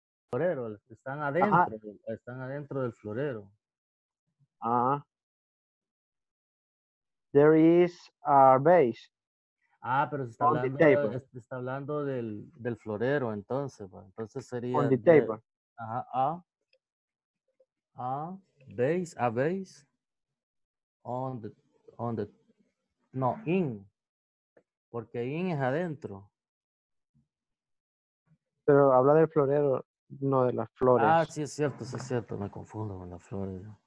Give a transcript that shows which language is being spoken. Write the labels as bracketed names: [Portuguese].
[Spanish] florero, están adentro, uh-huh. están adentro del florero. Ah. Uh-huh. [English] There is a vase. [Spanish] Ah, pero se está [English] on [Spanish] hablando, [English] the table. [Spanish] Se está hablando del, del florero, entonces, pues. Entonces sería [English] on the table. [Spanish] De, [English] ajá, a vase, a vase on the no, in. [Spanish] Porque in es adentro. Pero habla del florero, no de las flores. Ah, sí es cierto, sí es cierto, me confundo con las flores.